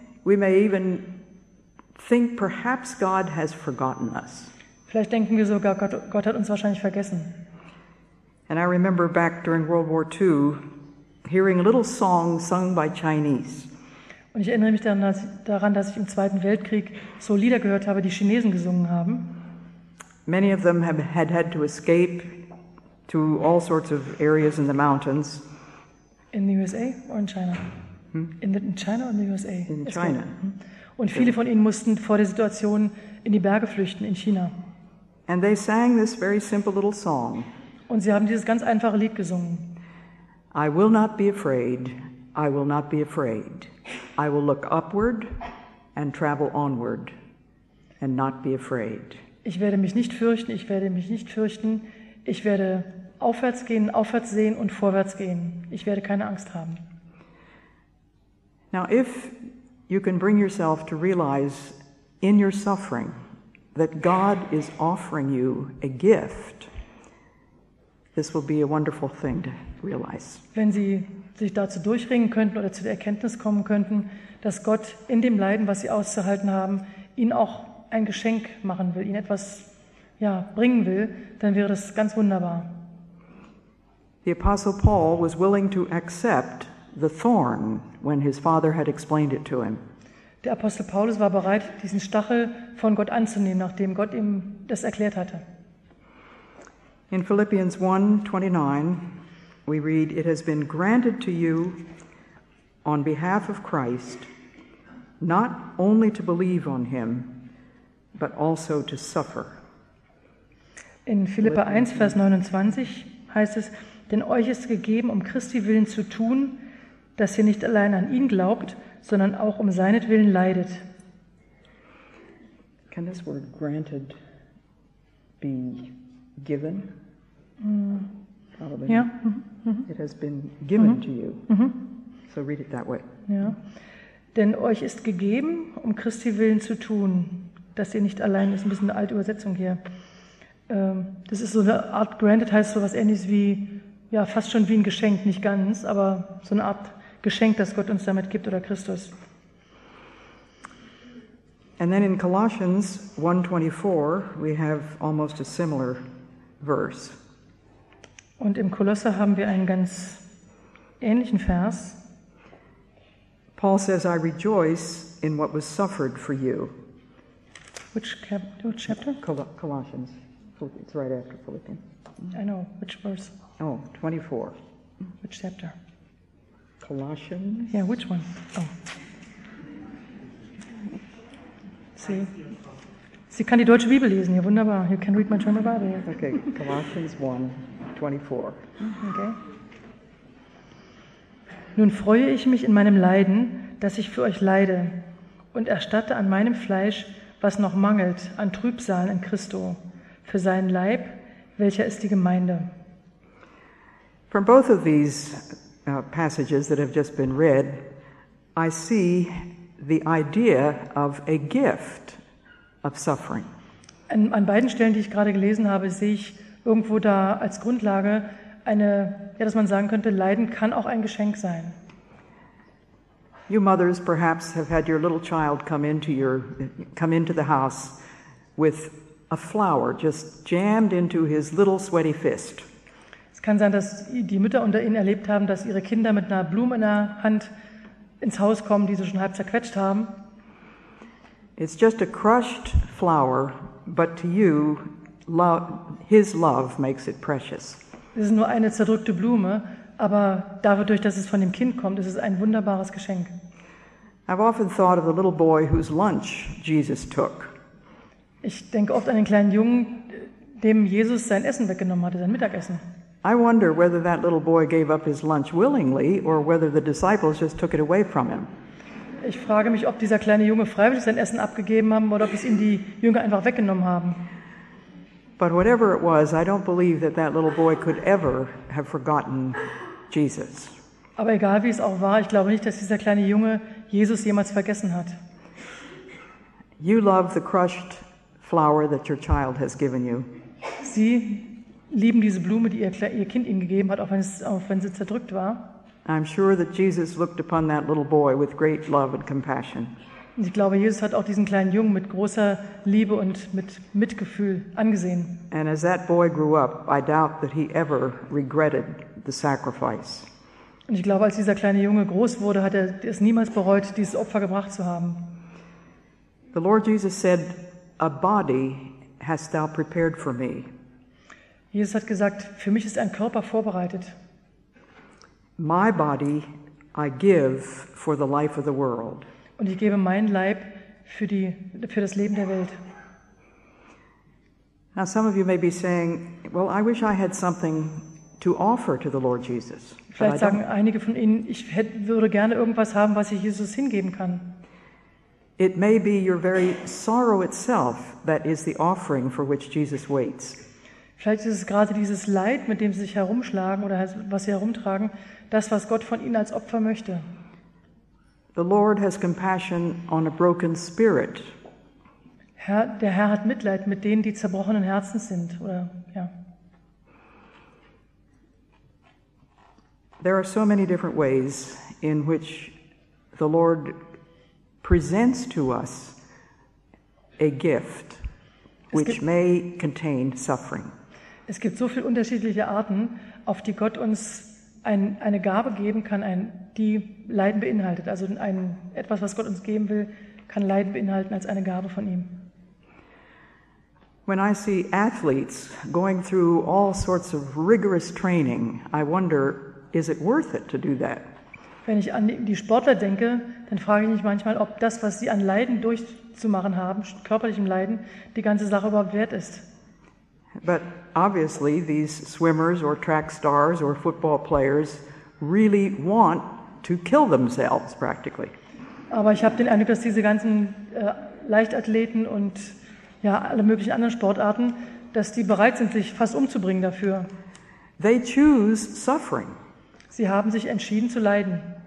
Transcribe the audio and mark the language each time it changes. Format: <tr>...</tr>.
<en>We may even think perhaps God has forgotten us.</en> <de>Vielleicht denken wir sogar, Gott hat uns wahrscheinlich vergessen.</de> <en>And I remember back during World War II hearing a little song sung by Chinese.</en> <de>Und ich erinnere mich daran, dass ich im Zweiten Weltkrieg so Lieder gehört habe, die Chinesen gesungen haben.</de> <en>Many of them had to escape to all sorts of areas in the mountains. In the USA or in China? In China or in the USA? In China.</en> <de>Und viele von ihnen mussten vor der Situation in die Berge flüchten in China.</de> <en>And they sang this very simple little song.</en> <de>Und sie haben dieses ganz einfache Lied gesungen.</de> <en>I will not be afraid. I will not be afraid. I will look upward and travel onward and not be afraid.</en> <de>Ich werde mich nicht fürchten, ich werde mich nicht fürchten. Ich werde aufwärts gehen, aufwärts sehen und vorwärts gehen. Ich werde keine Angst haben.</de> <en>Now if you can bring yourself to realize in your suffering that God is offering you a gift, this will be a wonderful thing to realize.</en> <de>Wenn Sie sich dazu durchringen könnten oder zu der Erkenntnis kommen könnten, dass Gott in dem Leiden, was Sie auszuhalten haben, Ihnen auch ein Geschenk machen will, Ihnen etwas bringen will, dann wäre das ganz wunderbar.</de> <en>The Apostle Paul was willing to accept the thorn when his father had explained it to him.</en> <de>Der Apostel Paulus war bereit, diesen Stachel von Gott anzunehmen, nachdem Gott ihm das erklärt hatte.</de> <en>In Philippians 1:29 we read, it has been granted to you on behalf of Christ not only to believe on him, but also to suffer.</en> <de>In Philippa 1, Vers 29 heißt es, denn euch ist gegeben, um Christi willen zu tun, dass ihr nicht allein an ihn glaubt, sondern auch um seinetwillen leidet.</de> <en>Can this word granted be given? Probably. Yeah. Mm-hmm. It has been given to you. Mm-hmm. So read it that way. Yeah.</en> <de>Denn euch ist gegeben, um Christi willen zu tun, dass ihr nicht allein, das ist ein bisschen eine alte Übersetzung hier. Das ist so eine Art granted, heißt so was ähnliches wie, fast schon wie ein Geschenk, nicht ganz, aber so eine Art Geschenk, das Gott uns damit gibt, oder Christus.</de> <en>And then in Colossians 1:24 we have almost a similar verse.</en> <de>Und im Kolosser haben wir einen ganz ähnlichen Vers.</de> <en>Paul says, I rejoice in what was suffered for you. Which chapter? Colossians. It's right after Philippians. I know. Which verse? Oh, 24. Which chapter? Colossians? Yeah, which one? Oh. See?</en> <de>Sie kann die deutsche Bibel lesen. Ja, wunderbar.</de> <en>You can read my German Bible. Yeah. Okay, Colossians 1, 24. Okay.</en> <de>Nun freue ich mich in meinem Leiden, dass ich für euch leide und erstatte an meinem Fleisch, was noch mangelt, an Trübsal in Christo, für seinen Leib, welcher ist die Gemeinde.</de> <en>From both of these passages that have just been read, I see the idea of a gift of suffering.</en> <de>An beiden Stellen, die ich gerade gelesen habe, sehe ich irgendwo da als Grundlage eine, dass man sagen könnte, Leiden kann auch ein Geschenk sein.</de> <en>You mothers perhaps have had your little child come into the house with a flower just jammed into his little sweaty fist.</en> <de>Es kann sein, dass die Mütter unter ihnen erlebt haben, dass ihre Kinder mit einer Blume in der Hand ins Haus kommen, die sie schon halb zerquetscht haben.</de> <en>It's just a crushed flower, but to you, his love makes it precious.</en> <de>Es ist nur eine zerdrückte Blume, aber dadurch, dass es von dem Kind kommt, ist es ein wunderbares Geschenk.</de> <en>I've often thought of the little boy whose lunch Jesus took.</en> <de>Ich denke oft an den kleinen Jungen, dem Jesus sein Essen weggenommen hatte, sein Mittagessen.</de> <en>I wonder whether that little boy gave up his lunch willingly or whether the disciples just took it away from him.</en> <de>Ich frage mich, ob dieser kleine Junge freiwillig sein Essen abgegeben haben oder ob es ihm die Jünger einfach weggenommen haben.</de> <en>But whatever it was, I don't believe that that little boy could ever have forgotten Jesus.</en> <de>Aber egal wie es auch war, ich glaube nicht, dass dieser kleine Junge Jesus jemals vergessen hat.</de> <en>You love the crushed flower that your child has given you.</en> <de>Sie lieben diese Blume, die ihr Kind ihnen gegeben hat, auch wenn sie zerdrückt war.</de> <en>I'm sure that Jesus looked upon that little boy with great love and compassion.</en> <de>Und ich glaube, Jesus hat auch diesen kleinen Jungen mit großer Liebe und mit Mitgefühl angesehen.</de> <en>And as that boy grew up, I doubt that he ever regretted the sacrifice.</en> <de>Und ich glaube, als dieser kleine Junge groß wurde, hat er es niemals bereut, dieses Opfer gebracht zu haben.</de> <en>The Lord Jesus said, a body hast thou prepared for me.</en> <de>Jesus hat gesagt, für mich ist ein Körper vorbereitet.</de> <en>My body I give for the life of the world.</en> <de>Und ich gebe meinen Leib für das Leben der Welt.</de> <en>Now some of you may be saying, well, I wish I had something to offer to the Lord Jesus.</en> <de>Vielleicht sagen einige von Ihnen, ich würde gerne irgendwas haben, was ich Jesus hingeben kann.</de> <en>It may be your very sorrow itself that is the offering for which Jesus waits.</en> <de>Vielleicht ist es gerade dieses Leid, mit dem sie sich herumschlagen oder was sie herumtragen, das, was Gott von ihnen als Opfer möchte.</de> <en>The Lord has compassion on a broken spirit.</en> <de>Der Herr hat Mitleid mit denen, die zerbrochenen Herzen sind.</de> <en>There are so many different ways in which the Lord presents to us a gift which may contain suffering.</en> <de>Es gibt so viele unterschiedliche Arten, auf die Gott uns eine Gabe geben kann, die Leiden beinhaltet. Also etwas, was Gott uns geben will, kann Leiden beinhalten als eine Gabe von ihm.</de> <en>When I see athletes going through all sorts of rigorous training, I wonder, is it worth it to do that?</en> <de>Wenn ich an die Sportler denke, dann frage ich mich manchmal, ob das, was sie an Leiden durchzumachen haben, körperlichem Leiden, die ganze Sache überhaupt wert ist.</de> <en>But obviously these swimmers or track stars or football players really want to kill themselves practically.</en> <de>Aber ich habe den Eindruck, dass diese ganzen Leichtathleten und ja, alle möglichen anderen Sportarten, dass die bereit sind, sich fast umzubringen dafür.</de> <en>They choose suffering.</en> <de>Sie haben sich entschieden zu leiden.</de>